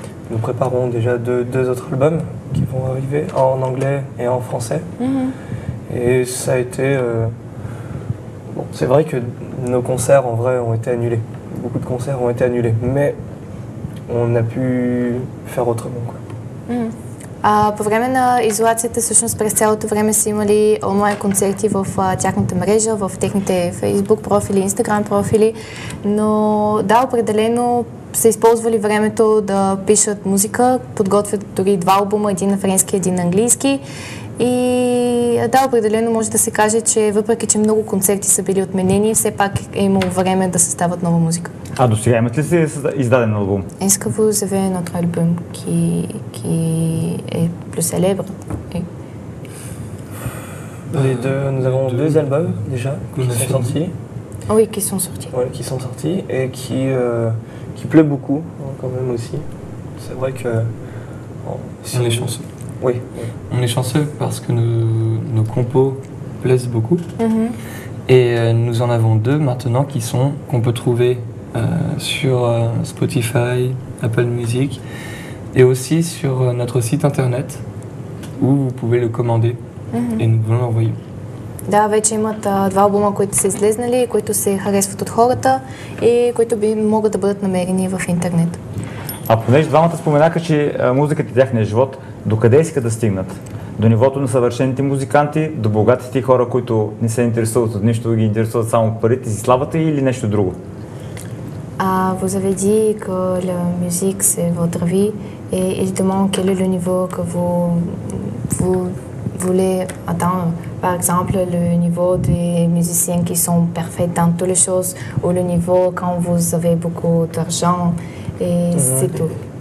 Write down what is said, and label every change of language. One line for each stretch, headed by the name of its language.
French: Nous préparons déjà deux autres albums qui vont arriver en anglais et en français. Et ça a été... Bon, c'est vrai que nos concerts, en vrai, ont été annulés. Beaucoup de concerts ont été annulés, mais on a pu faire autrement, quoi.
Bulgarian: По време на изолацията, всъщност през цялото време са имали онлайн концерти в тяхната мрежа, в техните Facebook профили, Instagram профили, но да, определено са използвали времето да пишат музика, подготвят дори два албума, един на френски, един на английски. И да, определено може да се каже, че въпреки, че много концерти са били отменени, все пак е имало време да съставят нова музика. А до сега имат ли си издаден албум?
French: Est-ce que vous avez un autre album qui est plus célèbre? Les deux, nous avons deux albums déjà qui sont sortis. Oui, qui sont sortis. Oui, qui sont sortis et qui plaît beaucoup quand même aussi. C'est vrai que... Si on est chanceux. Oui. On est chanceux parce que nos compos plaisent beaucoup. Et nous en avons deux maintenant qu'on peut trouver sur Spotify, Apple Music et aussi sur notre site internet où vous pouvez le commander et nous vous l'envoyons.
Bulgarian: Да, вече имат два албума, които са излезнали, които се харесват от хората и които могат да бъдат намерени в интернет. А понеже двамата споменаха, че музиката е тяхния живот, докъде искат да стигнат? До нивото на съвършените музиканти, до богатите хора, които не се интересуват от нищо, ги интересуват само парите си, славата или нещо друго?
French: Vous avez dit que la musique c'est votre vie et il demande quel est le niveau que vous voulez atteindre. Par exemple, le niveau des musiciens qui sont parfaits dans toutes les choses ou le niveau quand vous avez beaucoup d'argent et c'est tout.